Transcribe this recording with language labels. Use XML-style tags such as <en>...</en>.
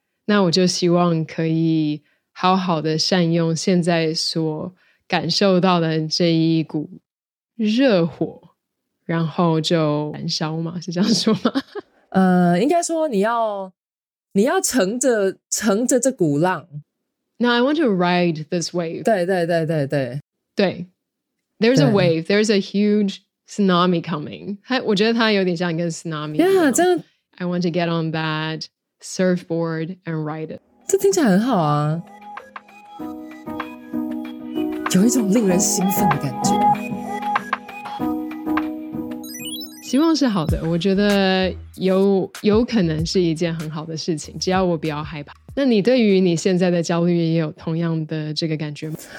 <zh>那我就希望可以好好的善用现在所感受到的这一股热火，然后就燃烧嘛，是这样说吗？应该说你要乘着这股浪。</zh> <en>Now I want to ride this wave.</en> <zh>对对对对对对。</zh> <en>There's a wave. There's a huge tsunami coming.</en> <zh>我觉得它有点像一个 tsunami. Yeah, 这</zh> <en>I want to get on that surfboard and ride it.</en> <zh>这听起来很好啊，有一种令人兴奋的感觉。希望是好的，我觉得有可能是一件很好的事情，只要我不要害怕。那你对于你现在的焦虑也有同样的这个感觉吗？</zh>